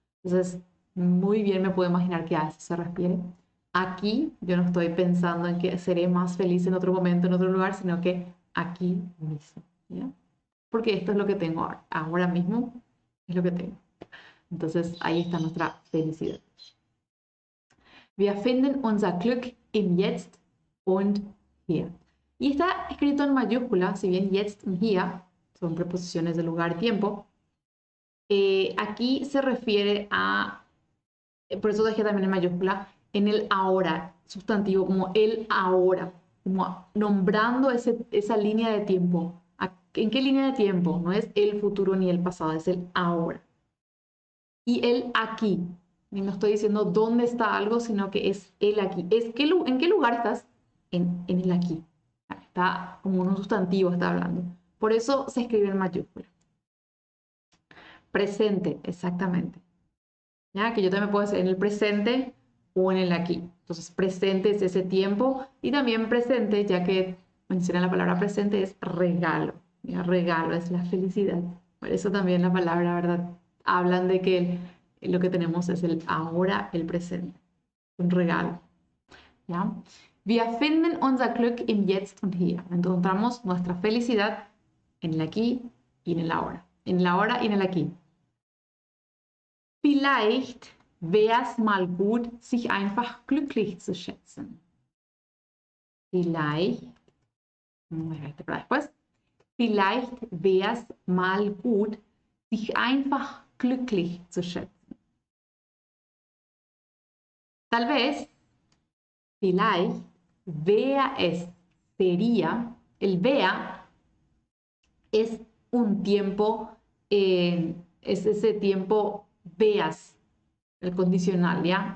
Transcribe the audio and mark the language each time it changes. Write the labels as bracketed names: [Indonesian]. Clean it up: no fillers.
[Spanish] Entonces, muy bien me puedo imaginar que a eso se refiere. Aquí yo no estoy pensando en que seré más feliz en otro momento, en otro lugar, sino que aquí mismo, ¿ya? Porque esto es lo que tengo ahora, ahora mismo, es lo que tengo. Entonces, ahí está nuestra felicidad. [German] Wir finden unser Glück im Jetzt und hier. [Spanish] Y está escrito en mayúscula, si bien [German] Jetzt und hier [Spanish] son preposiciones de lugar y tiempo. Aquí se refiere a, por eso dejé también en mayúscula, en el ahora, sustantivo, como el ahora, como nombrando esa línea de tiempo. ¿En qué línea de tiempo? No es el futuro ni el pasado, es el ahora. Y el aquí. Y no estoy diciendo dónde está algo, sino que es el aquí. ¿En qué lugar estás? En el aquí. Está como un sustantivo, está hablando. Por eso se escribe en mayúscula. Presente, exactamente. Ya que yo también puedo decir en el presente o en el aquí. Entonces, presente es ese tiempo. Y también presente, ya que menciona la palabra presente, es regalo. Ya, regalo es la felicidad. Por eso también la palabra, ¿verdad? Hablan de que lo que tenemos es el ahora, el presente. Un regalo. ¿Ya? [German] Wir finden unser Glück im Jetzt und Hier. [Spanish] Encontramos nuestra felicidad en el aquí y en el ahora. En el ahora y en el aquí. [German] Vielleicht wäre es mal gut, sich einfach glücklich zu schätzen. Vielleicht. [Spanish] Para después. [German] Vielleicht wäre es mal gut, sich einfach glücklich zu schätzen. [Spanish] Tal vez, [German] vielleicht, wäre es, [Spanish] sería, el wäre es un tiempo, es ese tiempo veas, el condicional, ¿ya?